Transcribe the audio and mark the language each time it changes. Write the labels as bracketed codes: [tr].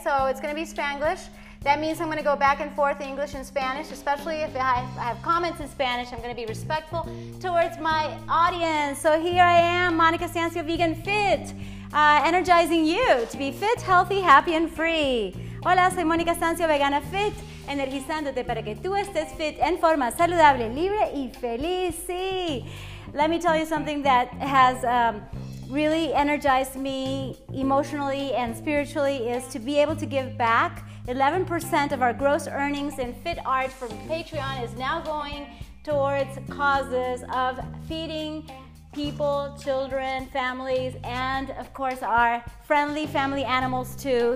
[en] So it's gonna be Spanglish. That means I'm gonna go back and forth English and Spanish, especially if I have comments in Spanish, I'm gonna be respectful towards my audience. So here I am, Monica Stancio, Vegan Fit, energizing you to be fit, healthy, happy, and free. [es] Hola, soy Monica Stancio, Vegana Fit, energizándote para que tú estés fit en forma saludable, libre y feliz. Sí. [en] Let me tell you something that has really energized me emotionally and spiritually is to be able to give back. 11% of our gross earnings in Fit Art from Patreon is now going towards causes of feeding people, children, families, and of course our friendly family animals too.